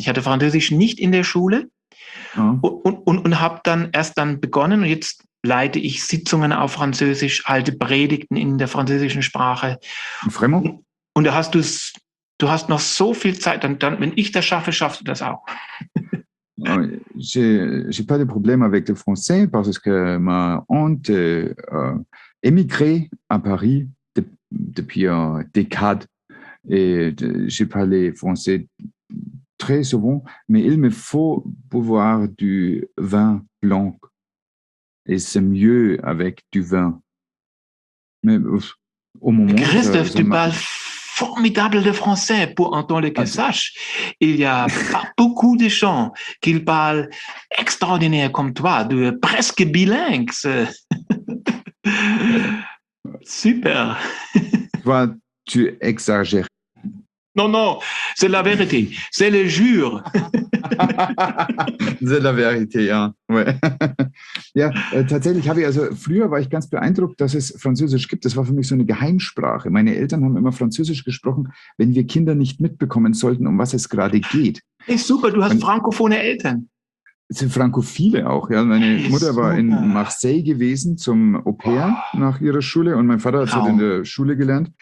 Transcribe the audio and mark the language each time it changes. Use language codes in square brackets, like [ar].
[de] Ich hatte Französisch nicht in der Schule und habe dann erst dann begonnen. Und jetzt leite ich Sitzungen auf Französisch, halte Predigten in der französischen Sprache. Fremdung? Und du hast noch so viel Zeit. Dann, wenn ich das schaffe, schaffst du das auch. [fr] J'ai pas de problème avec le français parce que ma tante émigré à Paris depuis une décade et j'ai parlé français très souvent, mais il me faut boire du vin blanc et c'est mieux avec du vin. Mais au moment Christophe, tu parles formidable de français pour entendre que sache. Il y a pas beaucoup de gens qui parlent extraordinaire comme toi, de presque bilingue. Super. Toi, tu exagères. Non, non, c'est la vérité, c'est le jure. C'est la vérité, ja. Ouais. [de] Ja, tatsächlich habe ich, also früher war ich ganz beeindruckt, dass es Französisch gibt. Das war für mich so eine Geheimsprache. Meine Eltern haben immer Französisch gesprochen, wenn wir Kinder nicht mitbekommen sollten, um was es gerade geht. Hey, super, du hast frankophone Eltern. Es sind frankophile auch, ja. Meine Mutter war in Marseille gewesen zum Au-pair nach ihrer Schule und mein Vater hat in der Schule gelernt.